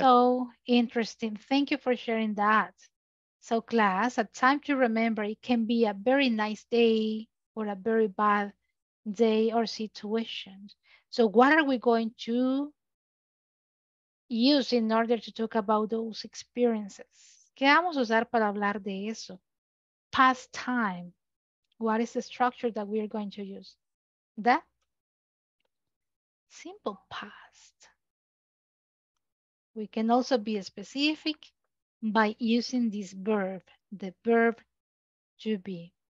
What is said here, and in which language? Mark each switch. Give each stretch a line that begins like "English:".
English: So interesting. Thank you for sharing that. So class, a time to remember, it can be a very nice day or a very bad day or situation. So what are we going to use in order to talk about those experiences?
Spanish: ¿Qué vamos a usar para hablar de eso?
English: Past time. What is the structure that we are going to use? That? Simple past. We can also be specific by using this verb, the verb to be.